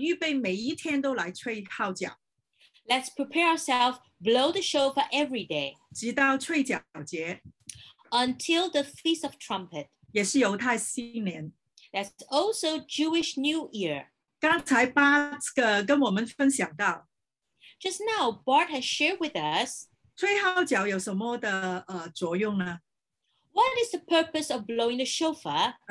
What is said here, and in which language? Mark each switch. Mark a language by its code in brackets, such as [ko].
[zh] 我们也要预备每一天都来吹号角。 [en] Let's prepare ourselves, blow the shofar every day. [zh] 直到吹角节。 [en] Until the Feast of Trumpet. [zh] 也是犹太新年。 [en] That's also Jewish New Year. [zh] 刚才Bart跟我们分享到, [en] Just now, Bart has shared with us, [zh] 吹号角有什么的, 作用呢? [en] What is the purpose of blowing the shofar?